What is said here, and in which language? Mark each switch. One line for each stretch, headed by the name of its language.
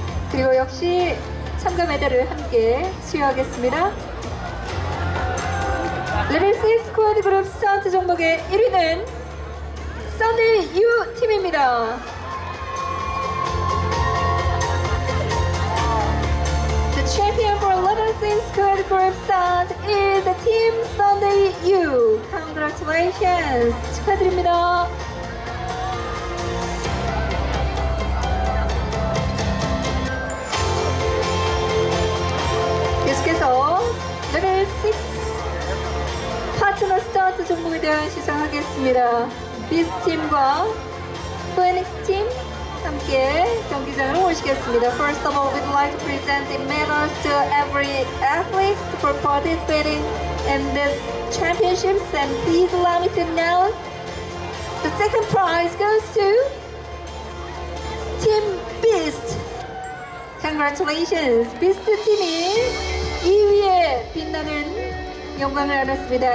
Korean: 그리고 역시 참가 메달을 함께 수여하겠습니다. 레벨 6 스쿼드 그룹 스타트 종목의 1위는 Sunday U 팀입니다.
English: The champion for Level 6 스쿼드 그룹 스타트 is the team Sunday U. Congratulations!
Korean: 축하드립니다. 계속해서 레벨 6 파트너 스타트 종목에 대한 시상하겠습니다. 비스 팀과 포에닉스 팀 함께 경기장으로 모시겠습니다.
English: First of all, we'd like to present the medals to every athlete for participating in this championships. And please allow me to announce the second prize goes to Team Beast. Congratulations,
Korean: Beast 팀이 2위에 빛나는 영광을 얻었습니다.